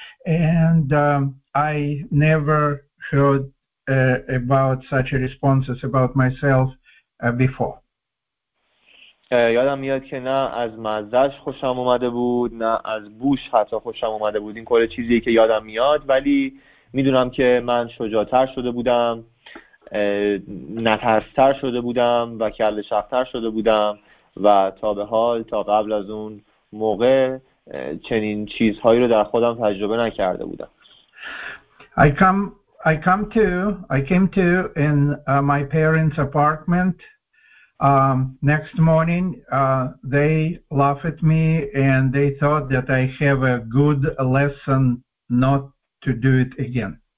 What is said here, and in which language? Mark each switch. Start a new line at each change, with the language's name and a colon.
English: And I never heard about such responses about myself before.
Persian: یادم میاد که نه از مزهش خوشم اومده بود، نه از بوش حتی خوشم اومده بود. این کل چیزی که یادم میاد، ولی میدونم که من شجاع‌تر شده بودم، نترس‌تر شده بودم و کله شق‌تر شده بودم و تا به حال، تا قبل از اون موقع، چنین چیزهایی رو در خودم تجربه نکرده بودم.
English: I come I came to in my parents' apartment. Next morning, they laugh at me and they thought that I have a good lesson not to do it again.